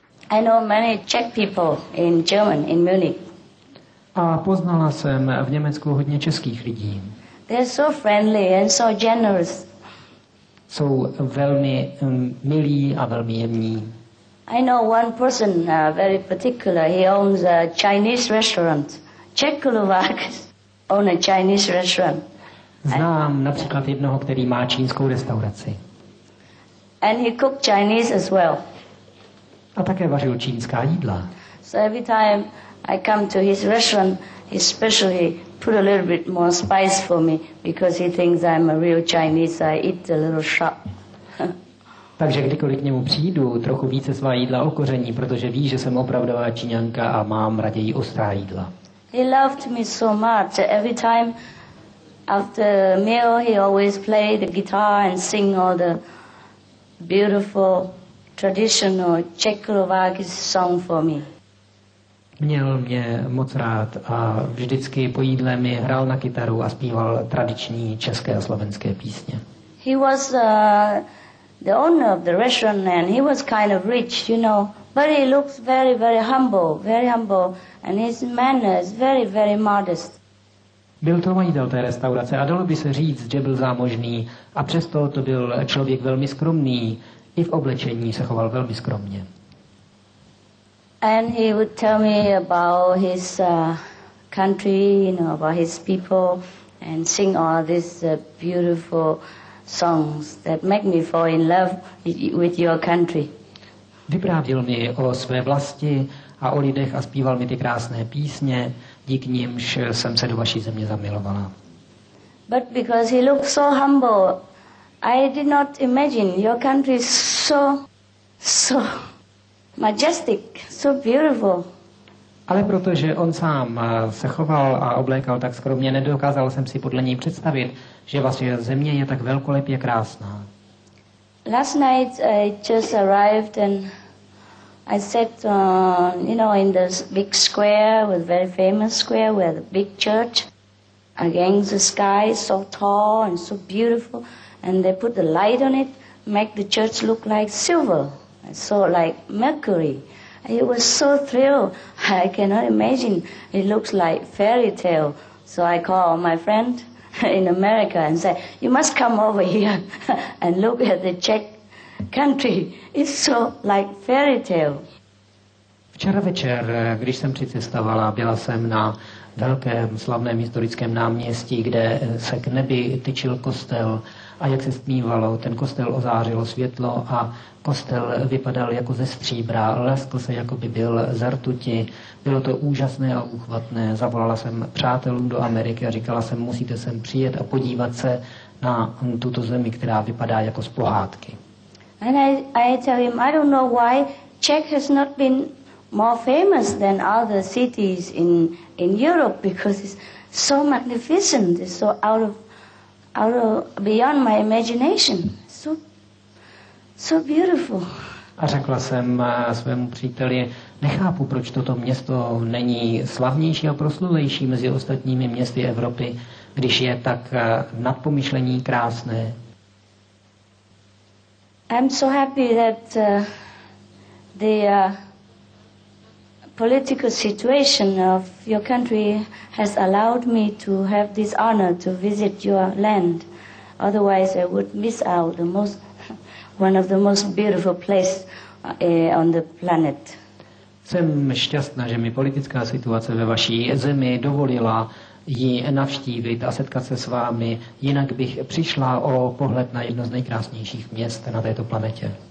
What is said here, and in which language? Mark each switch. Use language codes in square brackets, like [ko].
[en] I know many Czech people in German, in Munich. [cs] A poznala jsem v Německu hodně českých lidí. [en] They're so friendly and so generous. [cs] Jsou velmi milí a velmi jemní. [en] I know one person very particular. He owns a Chinese restaurant. Czech Slovak owns a Chinese restaurant. [cs] Znám například jednoho, který má čínskou restauraci. [en] And he cook Chinese as well. [cs] A také vařil čínská jídla. [en] So every time I come to his restaurant, he specially put a little bit more spice for me because he thinks I'm a real Chinese. I eat a little sharp. [cs] Takže kdykoliv k němu přijdu, trochu více svá jídla okoření, protože ví, že jsem opravdová Číňanka a mám raději ostrá jídla. [en] He loved me so much. Every time after meal, he always played the guitar and sing all the beautiful traditional Czechoslovak song for me. [cs] Měl mě moc rád a vždycky po jídle mi hrál na kytaru a zpíval tradiční české a slovenské písně. [en] He was the owner of the restaurant and he was kind of rich, you know, but he looks very, very humble and his manner is very, very modest. [cs] Byl to majitel té restaurace a dalo by se říct, že byl zámožný a přesto to byl člověk velmi skromný. I v oblečení se choval velmi skromně. [en] And he would tell me about his country, you know, about his people, and sing all these beautiful songs that make me fall in love with your country. [cs] Vyprávěl mi o své vlasti a o lidech a zpíval mi ty krásné písně, díky nimž jsem se do vaší země zamilovala. [en] But because he looked so humble, I did not imagine your country is so majestic, so beautiful. [cs] Ale protože on sám se choval a oblékal tak skromně, nedokázal jsem si podle něj představit, že vaše země je tak velkolepě krásná. [en] Last night I just arrived and I sat you know, in this big square, with very famous square where the big church against the sky, so tall and so beautiful. And they put the light on it, make the church look like silver, so like mercury. And it was so thrilled. I cannot imagine. It looks like fairy tale. So I call my friend in America and say, you must come over here and look at the Czech country. It's so like fairy tale. [cs] Včera večer, když jsem přicestovala, byla jsem na velkém slavném historickém náměstí, kde se k nebi tyčil kostel. A jak se stmívalo, ten kostel ozářilo světlo a kostel vypadal jako ze stříbra, leskl se, jako by byl ze rtuti. Bylo to úžasné a úchvatné. Zavolala jsem přátelům do Ameriky a říkala jsem, musíte sem přijet a podívat se na tuto zemi, která vypadá jako z pohádky. [en] And I tell him, I don't know why Czech has not been more famous than other cities in Europe because it's so magnificent. It's so out of beyond my imagination. So beautiful. [cs] A řekla jsem svému příteli, nechápu, proč toto město není slavnější a proslulejší mezi ostatními městy Evropy, když je tak nadpomyšlení krásné. [en] I'm so happy that the political situation of your country has allowed me to have this honor to visit your land. Otherwise, I would miss out the most one of the most beautiful places on the planet. [cs] Jsem šťastná, že mi politická situace ve vaší zemi dovolila ji navštívit a setkat se s vámi, jinak bych přišla o pohled na jedno z nejkrásnějších měst na této planetě.